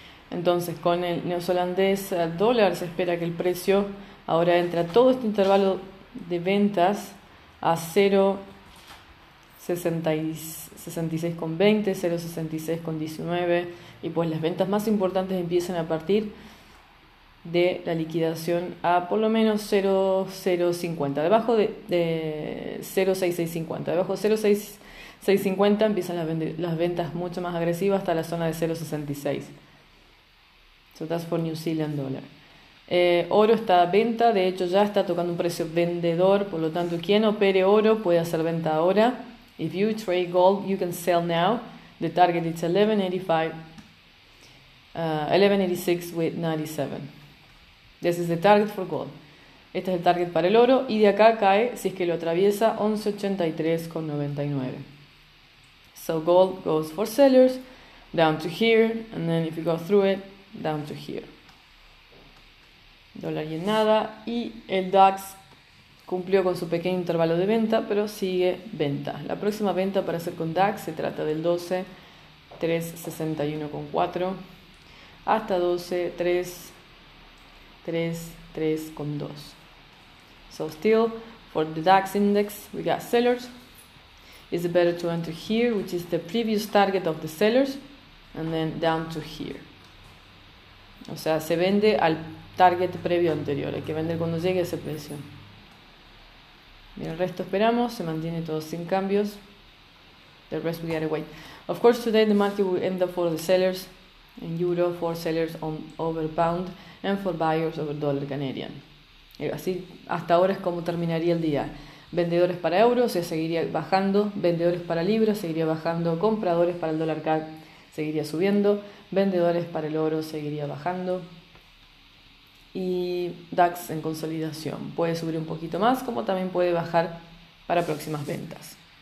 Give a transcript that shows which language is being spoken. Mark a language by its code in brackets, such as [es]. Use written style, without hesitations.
[es] Entonces, con el neozelandés dólar se espera que el precio ahora entre a todo este intervalo de ventas a 0.66,20, 0.66,19, y pues las ventas más importantes empiezan a partir de la liquidación a por lo menos 0.0050, debajo de 0.6650, debajo de 0.6650 empiezan las ventas mucho más agresivas hasta la zona de 0.66. [en] So that's for New Zealand dollar. [es] Oro está a venta, de hecho ya está tocando un precio vendedor, por lo tanto, quien opere oro puede hacer venta ahora. [en] If you trade gold, you can sell now. The target is 1186 with 97. This is the target for gold. [es] Este es el target para el oro y de acá cae, si es que lo atraviesa, 1183.99. [en] So gold goes for sellers, down to here, and then if you go through it, down to here. [es] Dólar y en nada. Y el DAX cumplió con su pequeño intervalo de venta, pero sigue venta. La próxima venta para hacer con DAX se trata del 12.361.4 hasta 12.333.2. [en] So still, for the DAX index, we got sellers. It's better to enter here, which is the previous target of the sellers, and then down to here. [es] O sea, se vende al target previo anterior. Hay que vender cuando llegue a ese precio. Mira, el resto esperamos. Se mantiene todo sin cambios. [en] The rest we gotta wait. Of course, today the market will end up for the sellers in euro, for sellers on over pound, and for buyers over dollar Canadian. [es] Y así, hasta ahora es como terminaría el día. Vendedores para euro, se seguiría bajando. Vendedores para libra, seguiría bajando. Compradores para el dólar CAD, seguiría subiendo. Vendedores para el oro seguiría bajando y DAX en consolidación. Puede subir un poquito más, como también puede bajar para próximas ventas.